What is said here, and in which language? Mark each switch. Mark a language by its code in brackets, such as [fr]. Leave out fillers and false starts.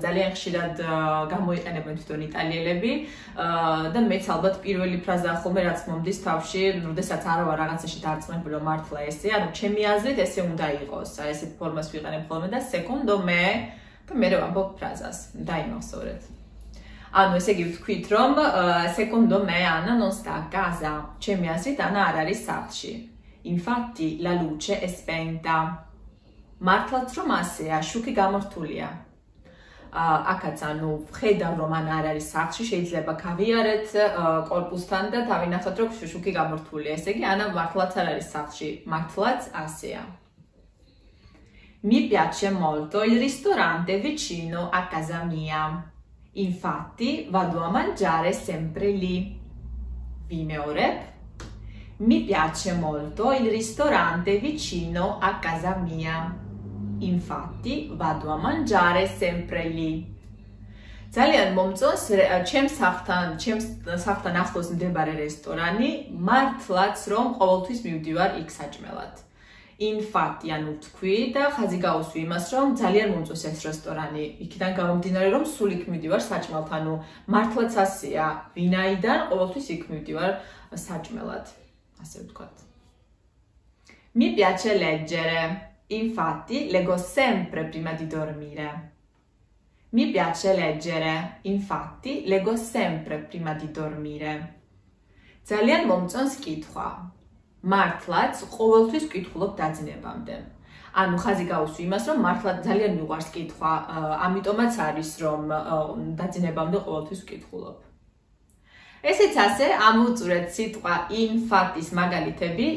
[ka] ძალიან ხშირად გამოიყენებენ თვითონ იტალიელები და მეც ალბათ პირველი ფრაზაა ხოლმე, რაც მომდის თავში, როდესაც არავა რაღაცაში დარწმუნებული, რომ მართლა ესე, ანუ ჩემი აზრით ესე უნდა იყოს. აი ესეთ ფორმას ვიყენებ ხოლმე და სეკონდო მე და მე ვამბობ ფრაზას. დაიმახსოვრეთ. Ანუ ესე იგი ვთქვით, რომ სეკონდო მე ანა ნონ სტა კაზა. ჩემი აზრით ანა არ არის სახლში. [it] Infatti la luce è spenta. [ka] მართლაც რომ ასეა, შუქი გამართულია. აკაც ანუ ხედავ რომ ან არ არის სახლში, შეიძლება გავიარეთ კორპუსთან და დავინახოთ რომ შუქი გამართულია. ესე იგი ანა მართლაც არ არის სახლში, მართლაც ასეა. [it] Mi piace molto il ristorante vicino a casa mia. Infatti vado a mangiare sempre lì. Vimeorep. Mi piace molto il ristorante vicino a casa mia. Infatti vado a mangiare sempre lì. [ka] Ძალიან მომწონს ჩემს სახლთან ახლოს მდებარე რესტორანი, მართლაც რომ ყოველთვის მივდივარ იქ საჭმელად. Infatti ანუ თქვი და ხაზი გაუსვი იმას, რომ ძალიან მომწონს ეს რესტორანი, იქიდან გამომდინარე რომ სულ იქ მივდივარ საჭმელთან, ანუ მართლაც ასეა, ვინაიდან ყოველთვის იქ მივდივარ საჭმელად, ასე ვთქვათ. Mi piace leggere. Infatti leggo sempre prima di dormire. Mi piace leggere. Infatti leggo sempre prima di dormire. ძალიან მომწონს კითხვა. მართლაც ყოველთვის კითხულობ დაძინებამდე. Ანუ ხაზი გაუსვი იმას, რომ მართლაც ძალიან მიყვარს კითხვა, ამიტომაც არის რომ დაძინებამდე ყოველთვის კითხულობ. ესეც ასე ამოვწურეთ სიტყვა ინფატის მაგალითები.